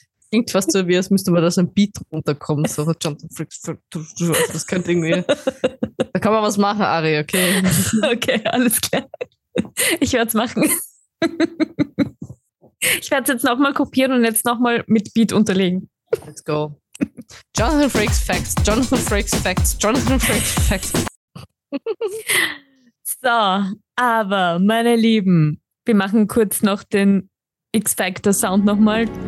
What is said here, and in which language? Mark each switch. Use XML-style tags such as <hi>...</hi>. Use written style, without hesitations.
<de>Klingt fast so, wie als müsste man da so ein Beat runterkommen. So Jonathan Frakes Facts. Das könnte irgendwie. Da kann man was machen, Ari, okay? Okay, alles klar. Ich werde es machen. Ich werde es jetzt nochmal kopieren und jetzt nochmal mit Beat unterlegen.</de> <en>Let's go. Jonathan Frakes Facts, Jonathan Frakes Facts, Jonathan Frakes Facts.</en> <de>So, aber meine Lieben, wir machen kurz noch den X-Factor-Sound nochmal.</de>